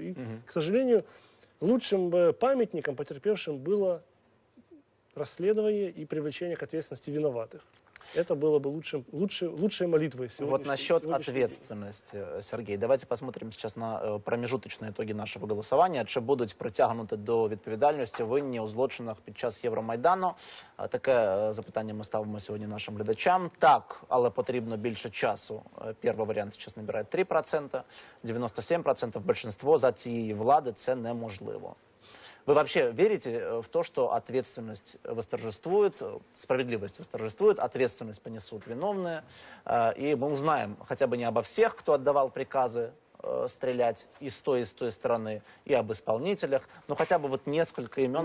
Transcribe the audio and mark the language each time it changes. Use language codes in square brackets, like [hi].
[ru] И, к сожалению, лучшим памятником потерпевшим было расследование и привлечение к ответственности виноватых. Это было бы лучшей молитвой сегодня. Вот насчет ответственности, Сергей, давайте посмотрим сейчас на промежуточные итоги нашего голосования. [uk] Чи будуть притягнуты до відповідальності винні у злочинах під час Євромайдану? Таке запитання ми ставимо сьогодні нашим глядачам. Так, але потрібно більше часу. Перший варіант зараз набирає 3%, 97% більшість за цієї влади це неможливо. [ru] Вы вообще верите в то, что ответственность восторжествует, справедливость восторжествует, ответственность понесут виновные? И мы узнаем хотя бы не обо всех, кто отдавал приказы стрелять и с той стороны, и об исполнителях, но хотя бы вот несколько имен.